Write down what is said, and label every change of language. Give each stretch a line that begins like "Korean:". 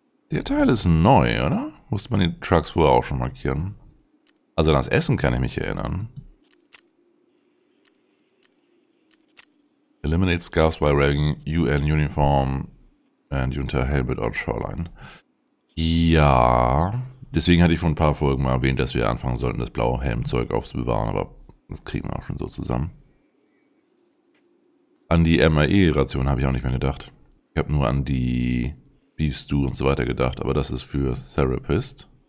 German: Der Teil ist neu, oder? Musste man die Trucks vorher auch schon markieren? Also an das Essen kann ich mich erinnern.
English: Eliminate Scarves by wearing UN Uniform and Unter Helmet on Shoreline.
German: Ja. Deswegen hatte ich vor ein paar Folgen mal erwähnt, dass wir anfangen sollten, das blaue Helmzeug aufzubewahren, aber das kriegen wir auch schon so zusammen. An die MAE-Ration habe ich auch nicht mehr gedacht. Ich habe nur an die Beast Do und so weiter gedacht, aber das ist für Therapist.